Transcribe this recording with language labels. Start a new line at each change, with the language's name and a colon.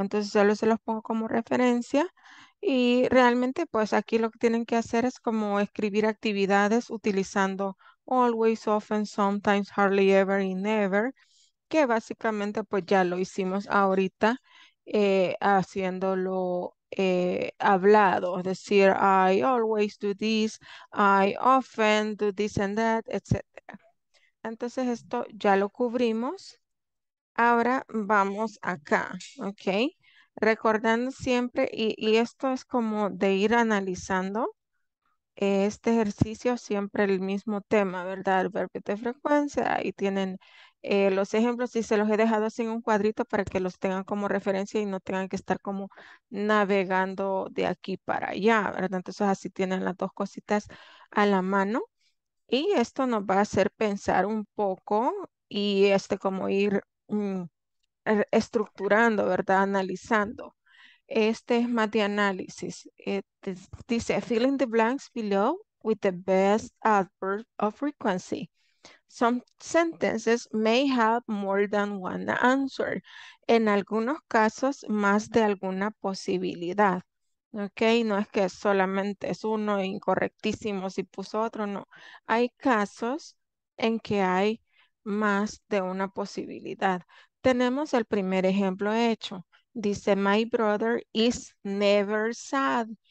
Spanish: Entonces, solo se los pongo como referencia. Y realmente, pues aquí lo que tienen que hacer es como escribir actividades utilizando always, often, sometimes, hardly ever y never, que básicamente pues ya lo hicimos ahorita haciéndolo hablado, es decir,
English: I always do this, I often do this and that, etc.
Spanish: Entonces esto ya lo cubrimos. Ahora vamos acá, ¿ok? Recordando siempre, y esto es como de ir analizando este ejercicio, siempre el mismo tema, ¿verdad? El verbo de frecuencia, ahí tienen los ejemplos y se los he dejado así en un cuadrito para que los tengan como referencia y no tengan que estar como navegando de aquí para allá, ¿verdad? Entonces así tienen las dos cositas a la mano y esto nos va a hacer pensar un poco y como ir estructurando, ¿verdad? Analizando. Este es más de análisis. Dice,
English: fill in the blanks below with the best adverb of frequency. Some sentences may have more than one answer.
Spanish: En algunos casos, más de alguna posibilidad. ¿Ok? No es que solamente es uno incorrectísimo si puso otro, no. Hay casos en que hay más de una posibilidad. Tenemos el primer ejemplo hecho. Dice,
English: my brother is never sad.